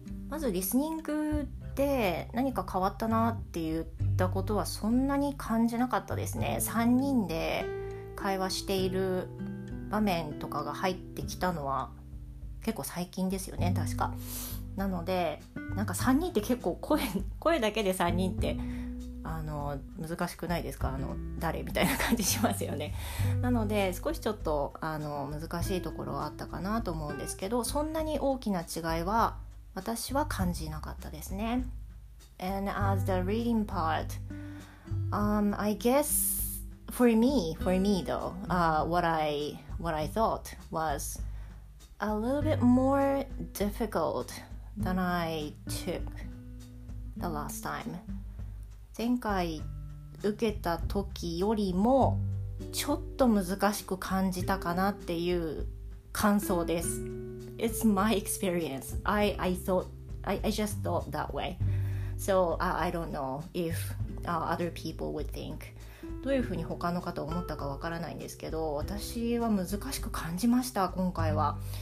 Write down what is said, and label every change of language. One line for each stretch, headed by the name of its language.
Japanese: まずリスニングで何か変わったなって言ったことはそんなに感じなかったですね。 3人で会話している場面とかが入ってきたのは結構最近ですよね、確か。なのでなんか3人って結構 声だけで3人って難しくないですか、誰みたいな感じしますよね。なので少しちょっと難しいところはあったかなと思うんですけど、そんなに大きな違いは私は感じなかったですね。
English: And as the reading part, I guess for me though, what I thought was a little bit more difficult than I took the last time.
Japanese: 前回受けた時よりもちょっと難しく感じたかなっていう感想です。
English: It's my experience. I just thought that way. So I don't know if other people would think.
Japanese: どういうふうに他の方思ったかわからないんですけど、私は難しく感じました、今回は。